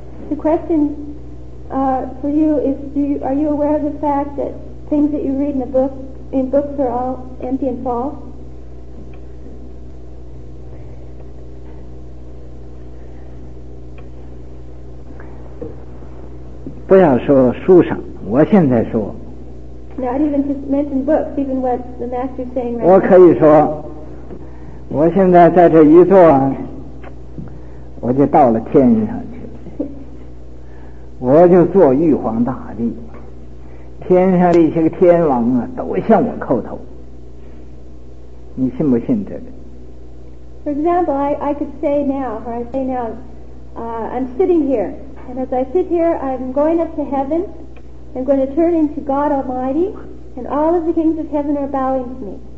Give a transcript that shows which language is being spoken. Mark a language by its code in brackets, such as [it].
[en] The question for you is: are you aware of the fact that things that you read in books are all empty and false? [zh] 不要说书上，我现在说。 [en] Not even to mention books, even what the master is saying right now. [zh] 我可以说，我现在在这一坐，我就到了天上去了，我就做玉皇大帝，天上的一些个天王啊，都向我叩头。你信不信这个？ [en] For example, I could say now, or I say now, I'm sitting here, and as I sit here, I'm going up to heaven, I'm going to turn into God Almighty, and all of the kings of heaven are bowing to me.